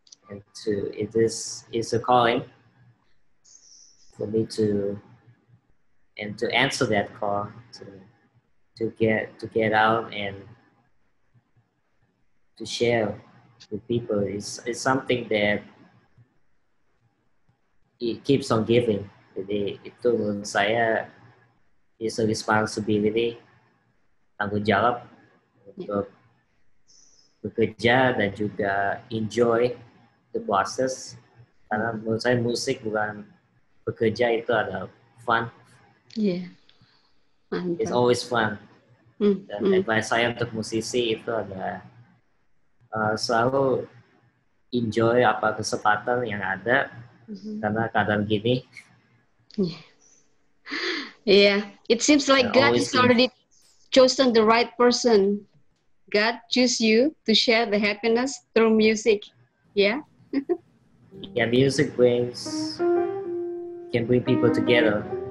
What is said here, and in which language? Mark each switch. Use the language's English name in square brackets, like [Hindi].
[English] And to it is a calling for me to and to answer that call to get out and to share with people is something that it keeps on giving. [Indonesian] Jadi itu menurut saya [English] is a responsibility, [Indonesian] tanggung jawab untuk bekerja dan juga [English] enjoy the process. [Indonesian] Karena menurut saya musik bukan bekerja, itu ada fun. [English] Yeah. [Indonesian] Mantap. [English] It's always fun. [Indonesian] Dan advice saya untuk musisi itu adalah selalu enjoy apa kesempatan yang ada karena kadang gini. [English] Yeah. It seems like God has already chosen the right person. God choose you to share the happiness through music. Yeah. Yeah, music brings can bring people together.